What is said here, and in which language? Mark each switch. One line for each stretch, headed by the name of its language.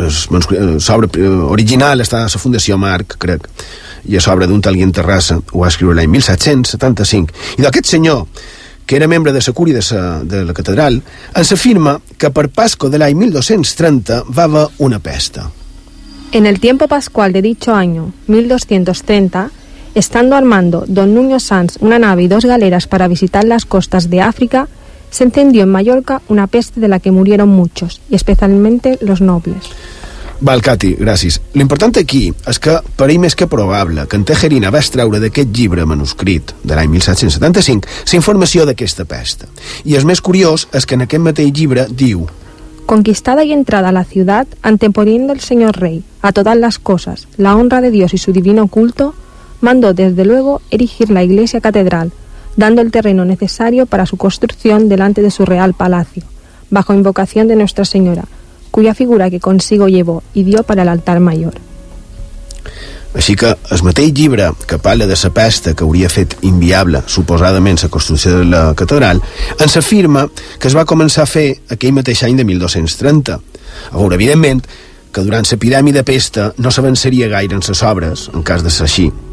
Catalan: L'obra original està a la Fundació Marc, crec, i és obra d'un tal Guillem Terrassa, ho va escriure l'any 1775. I d'aquest senyor, que era membre de la cúria de la catedral, ens afirma que per Pasco de l'any 1230 va haver una pesta.
Spanish: En el tiempo pascual de dicho año, 1230, estando al mando don Nuño Sanz una nave y dos galeras para visitar las costas de África, se encendió en Mallorca una peste de la que murieron muchos, y especialmente los nobles.
Catalan: Val, Cati, gràcies. L'important aquí és que, per ell més que probable, que en Tejerina va extraure d'aquest llibre manuscrit de l'any 1775 la informació d'aquesta pesta. I el més curiós és que en aquest mateix llibre diu...
Spanish: Conquistada y entrada a la ciudad, anteponiendo el señor rey a todas las cosas, la honra de Dios y su divino culto, mandó desde luego erigir la iglesia catedral, dando el terreno necesario para su construcción delante de su real palacio, bajo invocación de Nuestra Señora, cuya figura que consigo llevó y dio para el altar mayor.
Catalan: Així que el mateix llibre que parla de la pesta que hauria fet inviable, suposadament, la construcció de la catedral, ens afirma que es va començar a fer aquell mateix any de 1230. A veure, evidentment, que durant l'epidèmia de pesta no s'avançaria gaire en les obres, en cas de ser així.